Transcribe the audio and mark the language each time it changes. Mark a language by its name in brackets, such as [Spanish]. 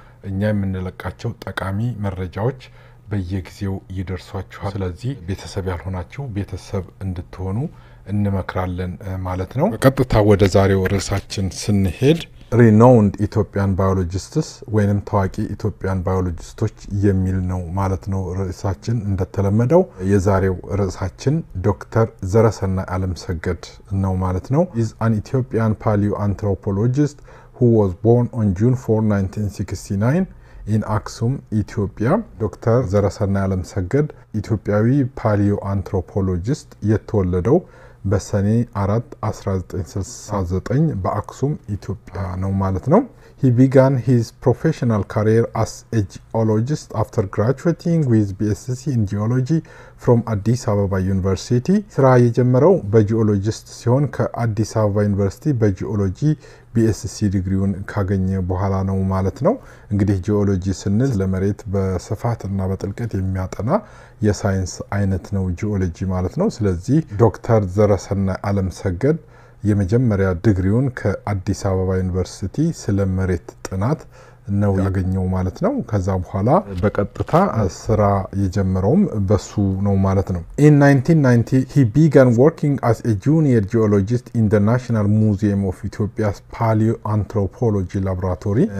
[Amharic] እኛ የምንለቃቸው ጠቃሚ መረጃዎች በየጊዜው ይደርሷችኋል። ስለዚህ ቤተሰብ ያልሆናችሁ ቤተሰብ እንድትሆኑ እንመክራለን ማለት ነው። ቀጥታ ወደ ዛሬው ርዕሳችን ስንሄድ [English] renowned Ethiopian biologists [Amharic] ወይንም ታዋቂ ኢትዮጵያን ባዮሎጂስቶች የሚል ነው ማለት ነው። ርዕሳችን እንደተለመደው የዛሬው ርዕሳችን ዶክተር ዘረሰናይ አለምሰገድ ነው ማለት ነው። [English] is an Ethiopian paleoanthropologist who was born on June 4, 1969 in Aksum, Ethiopia. [Amharic] ዶክተር ዘረሰናይ አለምሰገድ ኢትዮጵያዊ ፓሊዮአንትሮፖሎጂስት የተወለደው በሰኔ 4 1969 በአክሱም ኢትዮጵያ ነው ማለት ነው። [English] He began his professional career as a geologist after graduating with BSc in geology from Addis Ababa University. [Amharic] ስራ የጀመረው በጂኦሎጂስት ሲሆን ከአዲስ አበባ ዩኒቨርሲቲ በጂኦሎጂ BSc ዲግሪውን ካገኘ በኋላ ነው ማለት ነው። እንግዲህ ጂኦሎጂ ስንል ለመሬት በስፋትና በጥልቀት የሚያጠና የሳይንስ አይነት ነው ጂኦሎጂ ማለት ነው። ስለዚህ ዶክተር ዘረሰናይ አለምሰገድ የመጀመሪያ ዲግሪውን ከአዲስ አበባ ዩኒቨርሲቲ ስለ መሬት ጥናት ነው ያገኘው ማለት ነው። ከዛ በኋላ በቀጥታ ስራ የጀመረውም በሱ ነው ማለት ነው። [English] In 1990 he began working as a junior geologist in the National Museum of Ethiopia's Paleoanthropology Laboratory.